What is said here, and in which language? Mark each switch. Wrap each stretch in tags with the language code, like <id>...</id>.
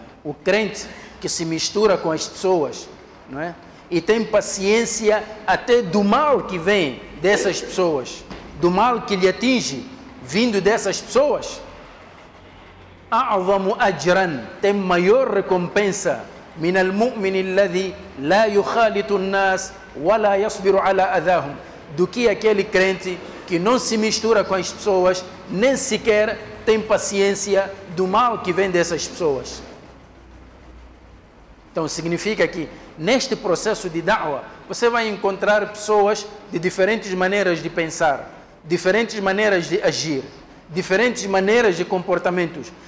<pt>O crente que se mistura com as pessoas, não é? E tem paciência até do mal que vem dessas pessoas, do mal que lhe atinge vindo dessas pessoas,</pt> <ar>a'azamu ajran,</ar> <pt>tem maior recompensa</pt> <ar>من المؤمن الذي لا يخالط الناس ولا يصبر على أذاهم.</ar> <pt>Do que aquele crente que não se mistura com as pessoas, nem sequer tem paciência do mal que vem dessas pessoas. Então significa que neste processo de da'wah, você vai encontrar pessoas de diferentes maneiras de pensar, diferentes maneiras de agir, diferentes maneiras de comportamentos.</pt>